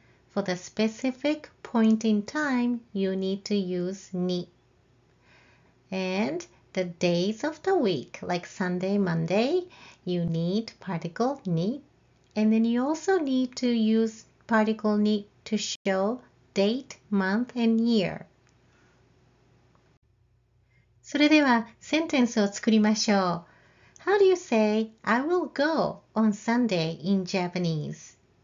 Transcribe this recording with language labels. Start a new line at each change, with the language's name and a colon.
English: For the specific point in time, you need to use に. And the days of the week, like Sunday, Monday, you need particle に. And then you also need to use particle に to show date, month, and year.
Japanese: それでは、センテンスを作りましょう。
English: How do you say, I will go on Sunday in Japanese?